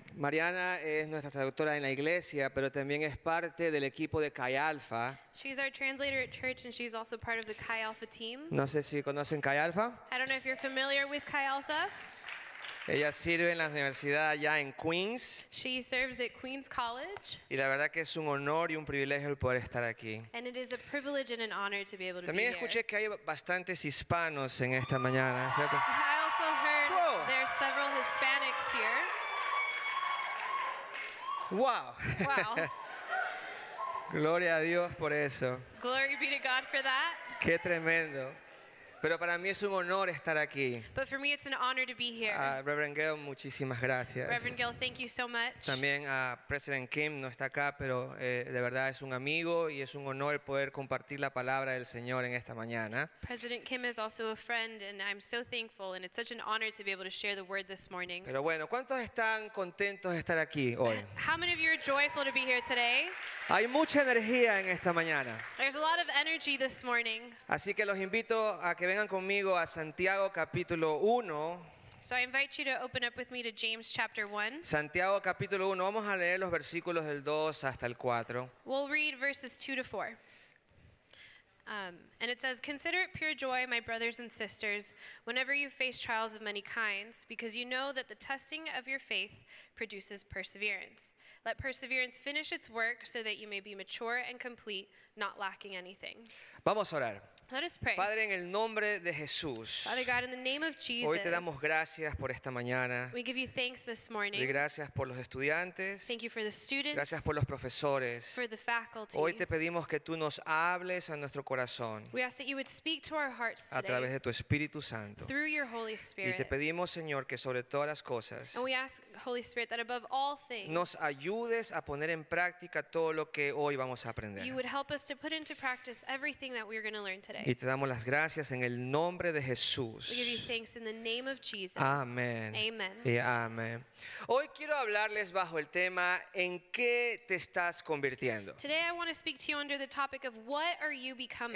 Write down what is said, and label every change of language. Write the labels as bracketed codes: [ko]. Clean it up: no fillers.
[es] Mariana es nuestra traductora en la iglesia, pero también es parte del equipo de Chi Alpha. [en] She's our translator at church, and she's also part of the Chi Alpha team. [es] No sé si conocen Chi Alpha. [en] I don't know if you're familiar with Chi Alpha. [es] Ella sirve en la universidad allá en Queens. [en] She serves at Queens College. [es] Y la verdad que es un honor y un privilegio el poder estar aquí. [en] And it is a privilege and an honor to be able to [es] También [en] be [es] escuché Que hay bastantes hispanos en esta mañana, ¿cierto? [en] I also heard Whoa. There are several Hispanics here. [es] Wow. Gloria a Dios por eso. [en] Glory be to God for that. [es] Qué tremendo. Pero para mí es un honor estar aquí. [en] But for me, it's an honor to be here. [es] Reverend Gill, muchísimas gracias. [en] Reverend Gill, thank you so much. [es] También President Kim no está acá, pero de verdad es un amigo y es un honor poder compartir la palabra del Señor en esta mañana. [en] President Kim is also a friend, and I'm so thankful, and it's such an honor to be able to share the word this morning. [es] Pero bueno, ¿cuántos están contentos de estar aquí hoy? [en] How many of you are joyful to be here today? [es] Hay mucha energía en esta mañana. [en] There's a lot of energy this morning. [es] Así que los invito a que vengan conmigo a Santiago capítulo 1. [en] So I invite you to open up with me to James chapter 1. [es] Santiago capítulo 1. Vamos a leer los versículos del 2 hasta el 4. [en] We'll read verses 2 to 4. And it says, "Consider it pure joy, my brothers and sisters, whenever you face trials of many kinds, because you know that the testing of your faith produces perseverance. Let perseverance finish its work so that you may be mature and complete, not lacking anything." [es] Vamos a orar. [en] Let us pray. [es] Padre, en el nombre de Jesús. [en] Father God, in the name of Jesus. [es] Hoy te damos gracias por esta mañana. [en] We give you thanks this morning. [es] Y gracias por los estudiantes. [en] Thank you for the students. [es] Gracias por los profesores. [en] For the faculty. [es] Hoy te pedimos que tú nos hables a nuestro corazón. [en] We ask that you would speak to our hearts today. [es] A través de tu Espíritu Santo. [en] Through your Holy Spirit. [es] Y te pedimos, Señor, que sobre todas las cosas. [en] And we ask, Holy Spirit, that above all things. [es] Nos ayudes a poner en práctica todo lo que hoy vamos a aprender. [en] You would help us to put into practice everything that we're going to learn today. [es] Y te damos las gracias en el nombre de Jesús. [en] We give you thanks in the name of Jesus. [es] Amén. [en] Amen. [es] Y amén. Hoy quiero hablarles bajo el tema ¿en qué te estás convirtiendo? [en] Today I want to speak to you under the topic of what are you becoming?